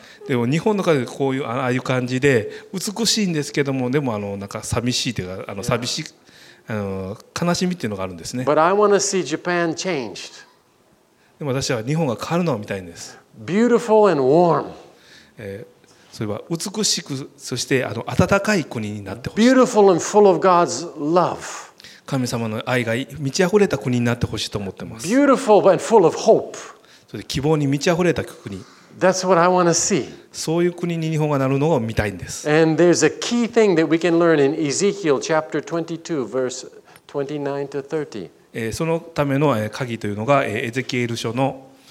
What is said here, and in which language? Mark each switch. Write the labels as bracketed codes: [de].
[ja] でも日本の方でこういうああいう感じで美しいんですけどもでもあのなんか寂しいというかあの寂しい、あの悲しみっていうのがあるんですね。 [en] But I want to see Japan changed. [ja] でも私は日本が変わるのを見たいんです。 [en] Beautiful and warm. [ja] それは美しくそしてあの温かい国になってほしい。 [en] Beautiful and full of God's love. [ja] 神様の愛が満ち溢れた国になってほしいと思ってます。 [en] Beautiful and full of hope. [ja] それで希望に満ち溢れた国。 [en] That's what I want to see. [ja] そういう国に日本がなるのを見たいんです。 [en] And there's a key thing that we can learn in Ezekiel chapter 22, verse 29 to 30. [ja] そのための鍵というのがエゼキエル書の